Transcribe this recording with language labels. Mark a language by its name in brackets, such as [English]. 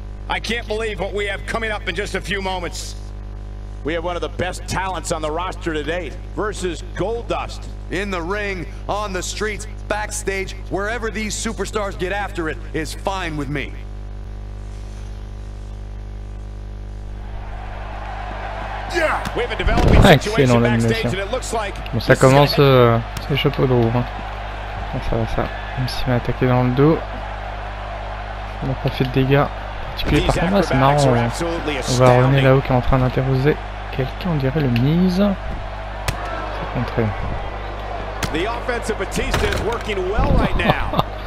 [English] I can't believe what we have coming up in just a few moments. We have one of the best talents on the roster to date versus Goldust. In the ring, on the streets, backstage, wherever these superstars get after it is fine with me. Yeah. We have a developing situation backstage, and it looks like [French] bon, ça commence c'est le chapeau de roue. Hein. Bon, ça va, ça. Même s'il m'a attaqué dans le dos, on n'a pas fait de dégâts particuliers. Par contre, là, c'est marrant. Ouais. On va revenir là-haut qui est en train d'interroger. Quelqu'un, on dirait le Miz. C'est contré. [English] The offense of Batista is working well right now.